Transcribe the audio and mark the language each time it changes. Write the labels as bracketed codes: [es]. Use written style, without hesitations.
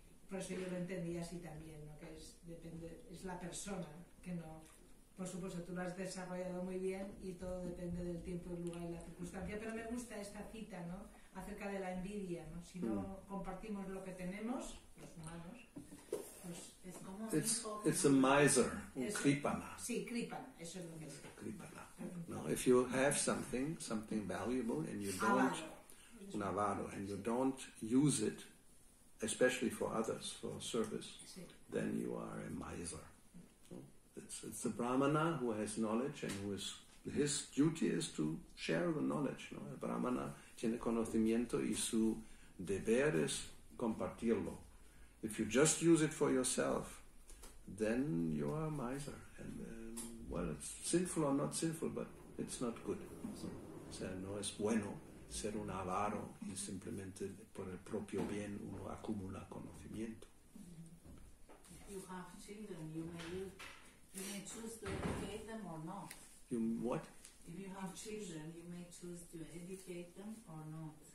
[es] Por eso yo lo entendí así también, ¿no? Que es, depende, es la persona que no... Por supuesto, tú lo has desarrollado muy bien y todo depende del tiempo, el lugar y la circunstancia, pero me gusta esta cita, ¿no? Acerca de la envidia, ¿no? Si no compartimos lo que tenemos, los humanos, pues es como... [en] It's a miser, un kripana. [es] Sí, kripana, eso es lo que es. Kripana. [en] No, if you have something valuable and you don't... [es] Un avaro. [en] And you don't use it, especially for others, for service, [es] sí, [en] then you are a miser. It's the brahmana who has knowledge and who is, his duty is to share the knowledge. [es] ¿No? El brahmana tiene conocimiento y su deber es compartirlo. [en] If you just use it for yourself, then you are a miser. And, well, it's sinful or not sinful, but it's not good. [es] O sea, no es bueno ser un avaro y simplemente por el propio bien uno acumula conocimiento. [en] If you have children, you may choose to educate them or not. You what? If you have children, you may choose to educate them or not.